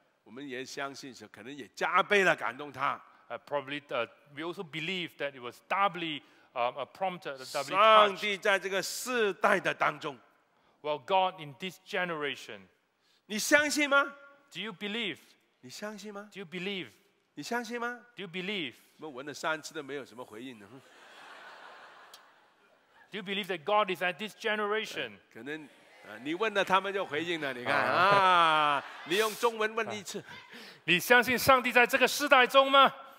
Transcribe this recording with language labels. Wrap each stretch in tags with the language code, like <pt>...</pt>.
<en>We also believe that it was doubly prompted, doubly touched.</en> <zh>上帝在这个世代的当中,</zh> <en>well, God in this generation.</en> <zh>你相信吗?</zh> <en>Do you believe?</en> <zh>你相信吗?</zh> <en>Do you believe?</en> <zh>你相信吗?</zh> <en>Do you believe?</en> <zh>我问了三次都没有什么回应呢。</zh> <en>Do you believe that God is at this generation?</en> <zh>可能你问了他们就回应了，你看啊，你用中文问一次，你相信上帝在这个世代中吗？</zh>